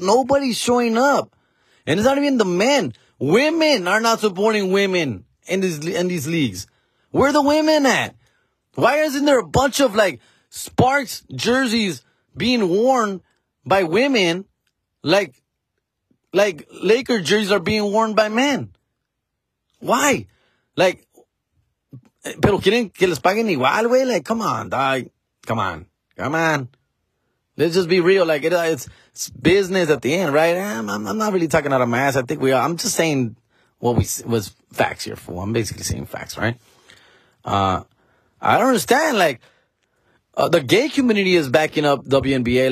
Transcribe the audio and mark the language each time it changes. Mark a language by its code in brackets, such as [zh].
[en] Nobody's showing up. And it's not even the men. Women are not supporting women in these leagues. Where are the women at? Why isn't there a bunch of, like, Sparks jerseys being worn by women like Laker jerseys are being worn by men? Why? [es] Like, pero quieren que les paguen igual, güey? [en] Like, come on, dog. Come on. Come on. Let's just be real. Like, it's business at the end, right? I'm not really talking out of my ass. I think we are. I'm just saying what was facts here, fool. I'm basically saying facts, right? I don't understand. Like, the gay community is backing up WNBA.